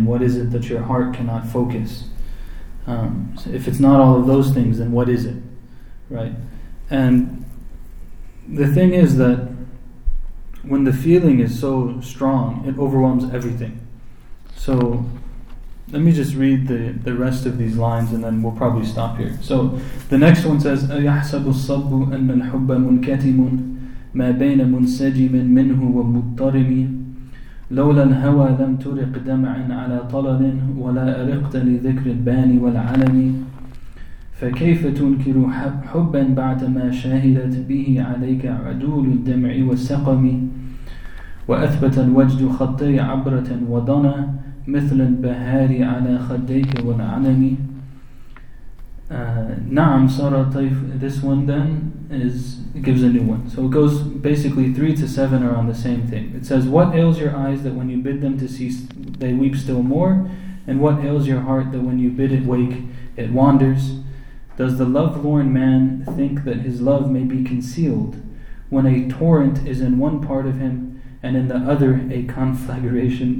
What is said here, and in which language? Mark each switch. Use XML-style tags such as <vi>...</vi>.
<en>And what is it that your heart cannot focus? So if it's not all of those things, then what is it? Right? And the thing is that when the feeling is so strong, it overwhelms everything. So let me just read the rest of these lines and then we'll probably stop here. So the next one says,</en> <ar>أَيَحْسَبُ الصَّبُّ أَنَّ الْحُبَّ مُنْكَتِمٌ مَا بَيْنَ مُنْسَجِمٍ مِنْهُ وَمُضْطَرِمِ لَوْلَا الْهَوَى لَمْ تُرِقْ دَمْعًا عَلَى طَلَلٍ وَلَا أَرِقْتَ لِذِكْرِ الْبَانِ وَالْعَلَمِ فكيف تنكر حبا بعدما شاهدت به عليك عدول الدمع والسقم وأثبت الوجد خطي عبرة وضنى مثل البهار على خديك والعلم. نعم صار طيف.</ar> <en>This one then is, it gives a new one. So it goes basically 3 to 7 around the same thing. It says, what ails your eyes that when you bid them to cease, they weep still more? And what ails your heart that when you bid it wake, it wanders? Does the lovelorn man think that his love may be concealed when a torrent is in one part of him and in the other a conflagration?</en>